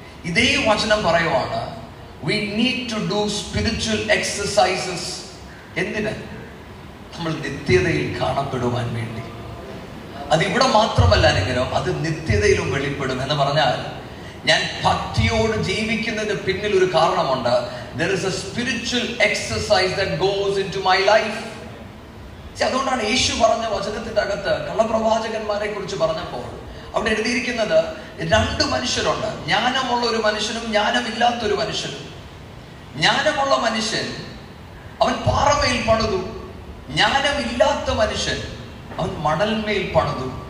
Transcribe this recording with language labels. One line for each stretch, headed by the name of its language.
Malayalam: ഇതേ വചനം പറയുവാണ്,
English: We need to do spiritual exercises.
Malayalam: എന്തിന്? നമ്മൾ നിത്യതയിൽ കാണപ്പെടുവാൻ വേണ്ടി. അതിവിടെ മാത്രമല്ല, എങ്കിലും അത് നിത്യതയിലും വെളിപ്പെടും. എന്ന് പറഞ്ഞാൽ, ഞാൻ ഭക്തിയോട് ജീവിക്കുന്നതിന് പിന്നിൽ ഒരു കാരണമുണ്ട്.
English: There is a spiritual exercise that goes into my life.
Malayalam: അതുകൊണ്ടാണ് യേശു പറഞ്ഞ വചനത്തിന്റെ അകത്ത് കള്ളപ്രവാചകന്മാരെ കുറിച്ച് പറഞ്ഞപ്പോൾ അവിടെ എഴുതിയിരിക്കുന്നത്, രണ്ട് മനുഷ്യരുണ്ട്, ജ്ഞാനമുള്ള ഒരു മനുഷ്യനും ജ്ഞാനമില്ലാത്തൊരു മനുഷ്യനും. ജ്ഞാനമുള്ള മനുഷ്യൻ അവൻ പാറമയിൽ പണിതു, ജ്ഞാനമില്ലാത്ത മനുഷ്യൻ അവൻ മണൽമേൽ പണിതു.